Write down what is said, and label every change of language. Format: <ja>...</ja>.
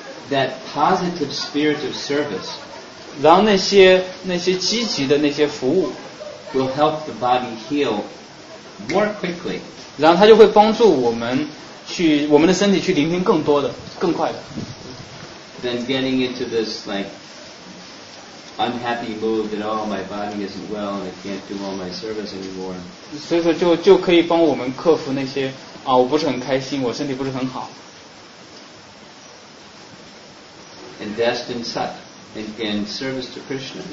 <en>That positive spirit of service.</en> <zh>然后那些积极的那些服务</zh> <en>will help the body heal more quickly.</en> <zh>然后它就会帮助我们的身体去聆听更多的、更快的。</zh> <en>Than getting into this like unhappy mood that oh my body isn't well and I can't do all my service anymore.</en> <zh>所以说就可以帮我们克服那些啊我不是很开心，我身体不是很好。</zh> <en>Invest in sat and in service to Krishna.</en>